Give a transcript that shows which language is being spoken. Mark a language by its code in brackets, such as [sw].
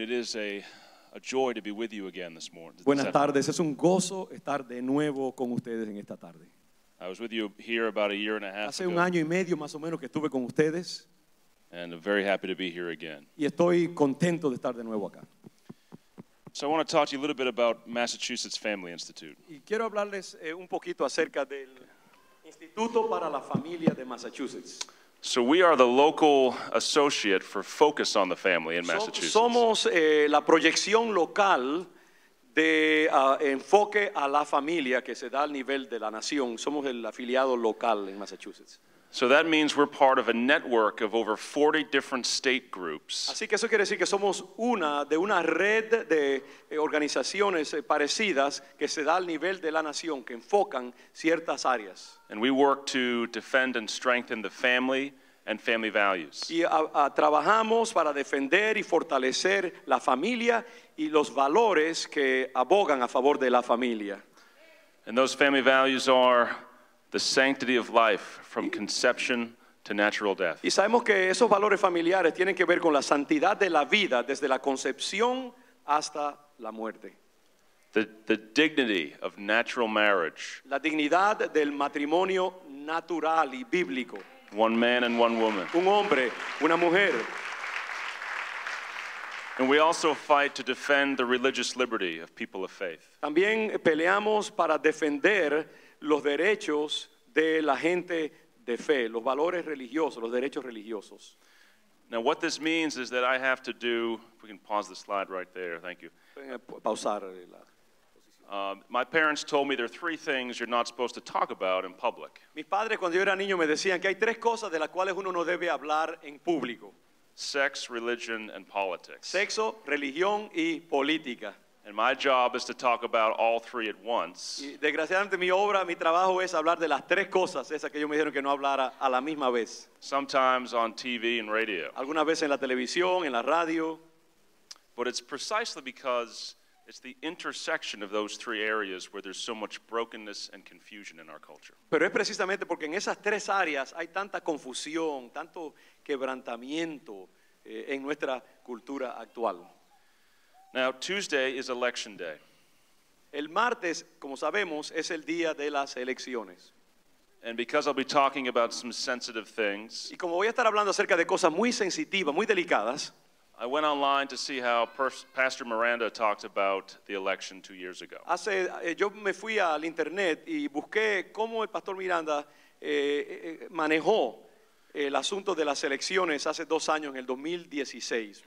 [en] It is a joy to be with you again this morning. [es] Buenas tardes. Es un gozo estar de nuevo con ustedes en esta tarde. [en] I was with you here about a year and a half ago. [es] Hace un año y medio más o menos que estuve con ustedes. [en] And I'm very happy to be here again. [es] Y estoy contento de estar de nuevo acá. [en] So I want to talk to you a little bit about Massachusetts Family Institute. [es] Y quiero hablarles un poquito acerca del Instituto para la Familia de Massachusetts. [en] So we are the local associate for Focus on the Family in Massachusetts. [es] Somos la proyección local de enfoque a la familia que se da al nivel de la nación. Somos el afiliado local en Massachusetts. [en] So that means we're part of a network of over 40 different state groups. [es] Así que eso quiere decir que somos una de una red de organizaciones parecidas que se da al nivel de la nación que enfocan ciertas áreas. [en] And we work to defend and strengthen the family and family values. [es] Y trabajamos para defender y fortalecer la familia y los valores que abogan a favor de la familia. [en] And those family values are the sanctity of life from conception to natural death. [es] Y sabemos que esos valores familiares tienen que ver con la santidad de la vida desde la concepción hasta la muerte. [en] The dignity of natural marriage. [es] La dignidad del matrimonio natural y bíblico. [en] One man and one woman. [es] Un hombre, una mujer. [en] And we also fight to defend the religious liberty of people of faith. [es] También peleamos para defender los derechos de la gente de fe, los valores religiosos, los derechos religiosos. [en] Now what this means is that I have to do, if we can pause the slide right there, thank you. [es] Pausar la posición. [en] My parents told me there are three things you're not supposed to talk about in public. [es] Mis padres cuando yo era niño me decían que hay tres cosas de las cuales uno no debe hablar en público. [en] Sex, religion, and politics. [es] Sexo, religión y política. [en] And my job is to talk about all three at once. [es] Y desgraciadamente mi obra, mi trabajo es hablar de las tres cosas esas que ellos me dijeron que no hablara a la misma vez. [en] Sometimes on TV and radio. [es] Algunas veces en la televisión, en la radio. [en] But it's precisely because it's the intersection of those three areas where there's so much brokenness and confusion in our culture. [es] Pero es precisamente porque en esas tres áreas hay tanta confusión, tanto quebrantamiento en nuestra cultura actual. [en] Now, Tuesday is election day. [es] El martes, como sabemos, es el día de las elecciones. [en] And because I'll be talking about some sensitive things, [es] y como voy a estar hablando acerca de cosas muy sensitivas, muy delicadas, [en] I went online to see how Pastor Miranda talked about the election 2 years ago. [es] Hace, yo me fui al internet y busqué cómo el Pastor Miranda manejó el asunto de las elecciones hace 2 años, en el 2016.